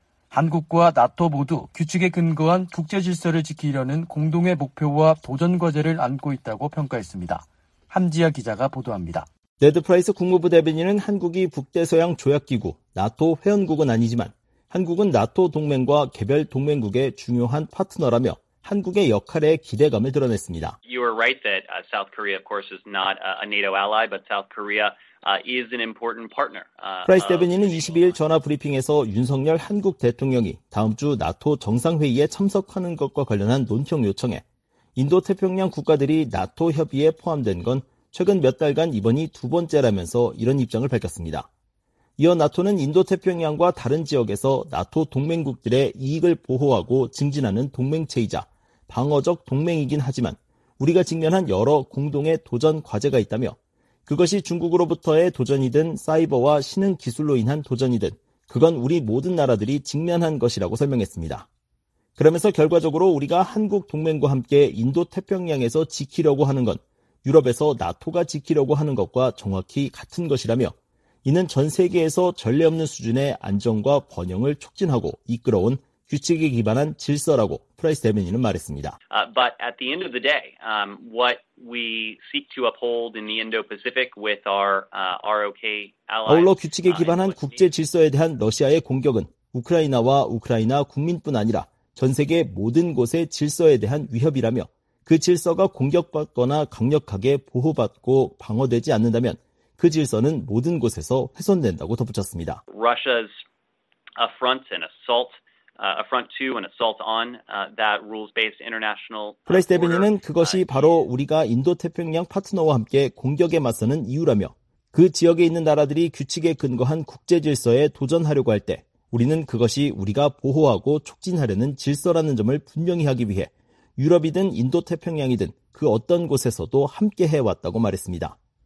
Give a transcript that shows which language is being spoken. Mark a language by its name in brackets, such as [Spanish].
[Korean] 한국과 나토 모두 규칙에 근거한 국제질서를 지키려는 공동의 목표와 도전과제를 안고 있다고 평가했습니다. 함지아 기자가 보도합니다. 네드 프라이스 국무부 대변인은 한국이 북대서양 조약기구 나토 회원국은 아니지만 한국은 나토 동맹과 개별 동맹국의 중요한 파트너라며 한국의 역할에 기대감을 드러냈습니다. [English] You are right that South Korea, of course, is not a NATO ally, but South Korea is an important partner. [Korean] 프라이스 대변인은 22일 전화 브리핑에서 윤석열 한국 대통령이 다음 주 나토 정상회의에 참석하는 것과 관련한 논평 요청에 인도태평양 국가들이 나토 협의에 포함된 건 최근 몇 달간 이번이 두 번째라면서 이런 입장을 밝혔습니다. 이어 나토는 인도태평양과 다른 지역에서 나토 동맹국들의 이익을 보호하고 증진하는 동맹체이자 방어적 동맹이긴 하지만 우리가 직면한 여러 공동의 도전 과제가 있다며 그것이 중국으로부터의 도전이든 사이버와 신흥 기술로 인한 도전이든 그건 우리 모든 나라들이 직면한 것이라고 설명했습니다. 그러면서 결과적으로 우리가 한국 동맹과 함께 인도태평양에서 지키려고 하는 건 유럽에서 나토가 지키려고 하는 것과 정확히 같은 것이라며 이는 전 세계에서 전례 없는 수준의 안정과 번영을 촉진하고 이끌어온 규칙에 기반한 질서라고 프라이스 대변인은 말했습니다. [English] But at the end of the day, what we seek to uphold in the Indo-Pacific with our ROK allies. [Korean] 아울러 규칙에 기반한 국제 질서에 대한 러시아의 공격은 우크라이나와 우크라이나 국민뿐 아니라 전 세계 모든 곳의 질서에 대한 위협이라며 그 질서가 공격받거나 강력하게 보호받고 방어되지 않는다면 그 질서는 모든 곳에서 훼손된다고 덧붙였습니다. [English] Russia's affront and assault, affront to and assault on that rules-based international. [Korean] 프라이스 대변인은 그것이 바로 우리가 인도태평양 파트너와 함께 공격에 맞서는 이유라며 그 지역에 있는 나라들이 규칙에 근거한 국제 질서에 도전하려고 할 때 우리는 그것이 우리가 보호하고 촉진하려는 질서라는 점을 분명히 하기 위해 유럽이든 인도태평양이든 그 어떤 곳에서도 함께 해왔다고 말했습니다.